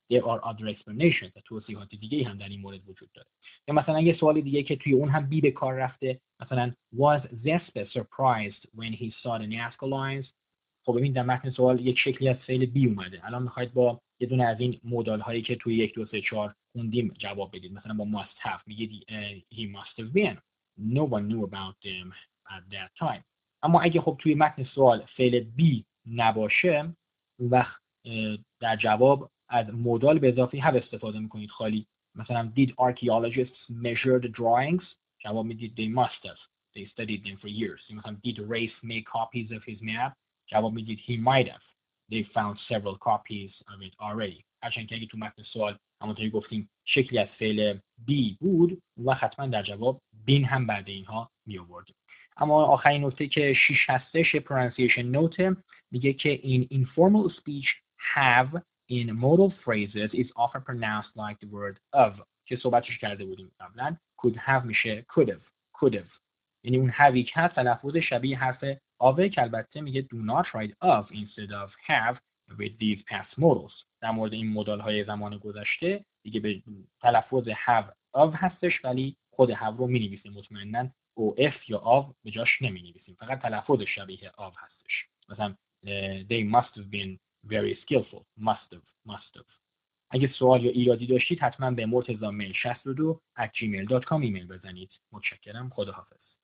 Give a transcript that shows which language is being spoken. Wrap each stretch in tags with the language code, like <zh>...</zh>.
<en>There are other explanations،</en> <fa>توضیحات دیگه هم در این مورد وجود داره. یا مثلا یه سوال دیگه که توی اون هم بی به کار رفته، مثلا</fa> <en>was Zespe surprised when he saw the NASCAR lines؟</en> <fa>خب ببین در متن سوال یک شکلی از فعل بی اومده، الان میخواید با یه دونه از این مودال هایی که توی 1, 2, 3, 4 خوندیم جواب بدید. مثلا با</fa> <en>must have</en> <fa>میگید</fa> <en>he must have been، no one knew about them at that time.</en> <fa>اما اگه خب توی متن سوال فعل بی نباشه، وقت در جواب از مودال به اضافه have استفاده میکنید خالی.</fa> <en>مثلا did archaeologists measure the drawings؟</en> <fa>جواب میدید</fa> <en>they must have، they studied them for years. مثلا did Race make copies of his map؟</en> <fa>جواب میدید</fa> <en>he might have، they found several copies of it already.</en> <fa>هرچند که اگه تو متن سوال همونطوری گفتیم شکلی از فعل بی بود، و حتما در جواب بین هم بعد اینها می آوردیم. اما آخرین نکته که 6 هستش، پرونسیشن نوت، میگه که این</fa> <en>informal speech have in modal phrases is often pronounced like the word of،</en> <fa>که صحبتش کرده بودیم قبلا، could have میشه could have، could have، یعنی اون have که هست تلفظ شبیه حرف of، که البته میگه</fa> <en>do not write of instead of have with these past modals.</en> <fa>در مورد این مدال های زمان گذشته دیگه به تلفظ have of هستش، ولی خود have رو می نویسیم مطمئنن او اف یا of به جاش نمی نویسیم، فقط تلفظ شبیه of هستش.</fa> <en>مثلا they must have been very skillful، must have، must have.</en> <fa>اگه سوال یا ایرادی داشتید حتما به مرتضی میل 62@gmail.com ایمیل بزنید. متشکرم، خداحافظ.</fa>